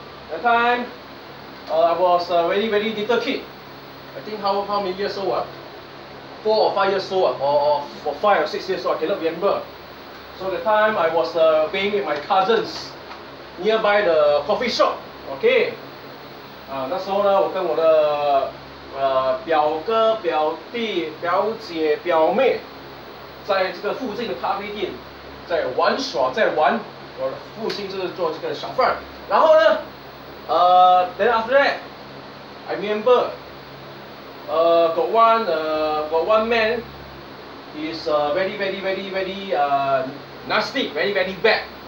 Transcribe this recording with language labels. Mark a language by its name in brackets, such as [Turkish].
[English] That time, I was a very, very little kid. I think how many years old? 4 or 5 years old, or 5 or 6 years old, I cannot remember. So that time I was being with my cousins nearby the coffee shop, okay? [Chinese] 那时候呢，我跟我的表哥、表弟、表姐、表妹，在这个附近的咖啡店，在玩耍，在玩。我的父亲就是做这个小贩。然后呢， [English] then after that, I remember, got one man, is very very very very nasty, very very bad.